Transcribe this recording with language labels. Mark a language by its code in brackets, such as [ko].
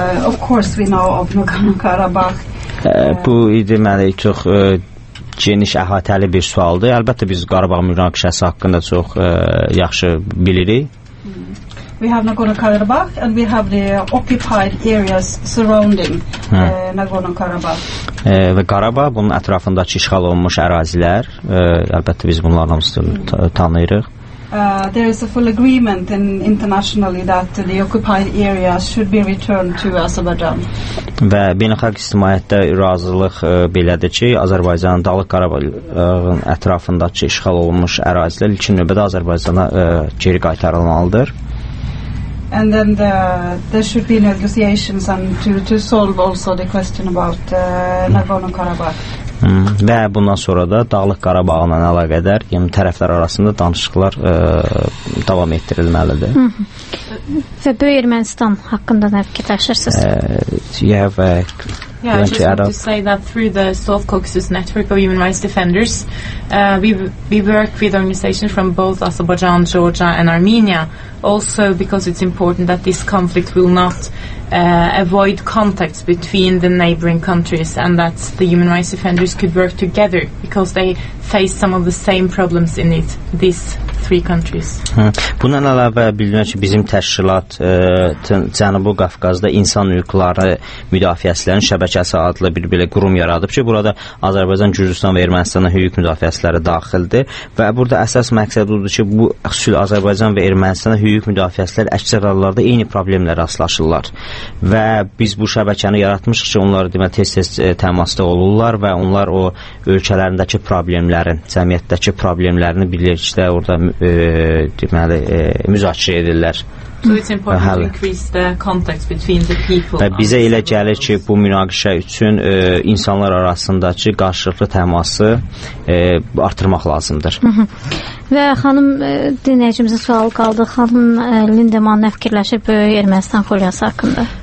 [en] Of course we know of Nagorno-Karabakh. [az] Bu deməli çox geniş əhatəli bir sualdır. Əlbəttə biz Qarabağ münaqişəsi haqqında çox yaxşı bilirik. [en] We have Nagorno-Karabakh and we have the occupied areas surrounding Nagorno-Karabakh. [az] Və Qarabağ bunun ətrafındakı işğal olunmuş ərazilər, əlbəttə biz bunlarla tanıyırıq. [en] There is a full agreement in internationally that the occupied areas should be returned to Azerbaijan. [az] Və beynəlxalq ictimaiyyətdə razılıq belədir ki, Azərbaycanın Dağlıq Qarabağın ətrafındakı işğal olunmuş ərazilər ilkin növbədə Azərbaycana geri qaytarılmalıdır. [en] And then there should be negotiations and to solve also the question about Nagorno-Karabakh. [az] Və bundan sonra da Dağlıq Qarabağla əlaqədar, yəni tərəflər arasında danışıqlar davam etdirilməlidir. Və Böyük Ermənistan haqqında nə fikirləşirsiniz? [en] Yeah, I just want to say that through the South Caucasus Network of Human Rights Defenders, we work with organizations from both Azerbaijan, Georgia, and Armenia, also because it's important that this conflict will not avoid contacts between the neighboring countries and that the human rights defenders could work together because they face some of the same problems in it, these three countries. [az] Bundan əlavə bildirilir ki, bizim təşkilat Cənubi Qafqazda insan hüquqları müdafiəçilərin şəbəkəsi adlı bir belə qurum yaradıb ki, burada Azərbaycan, Gürcüstan və Ermənistanın hüquq müdafiəçiləri daxildir və burada əsas məqsəd odur ki, bu xüsusilə Azərbaycan və Ermənistanın hüquq müdafiəçiləri əksər hallarda eyni problemlə rastlaşırlar. Və biz bu şəbəkəni yaratmışıq ki, onlar demə, tez-tez təmasda olurlar və onlar o ölkələrindəki problemlərin, cəmiyyətdəki problemlərini birlikdə orada müzakirə edirlər. [en] So it's important to increase the contact between the people. [az] Və bizə elə gəlir ki, bu münaqişə üçün insanlar arasındakı qarşılıqlı təması artırmaq lazımdır. Və xanım dinləyicimizə sual qaldı. Xanım Lindeman nə fikirləşir Böyük Ermənistan Koliyası haqqında?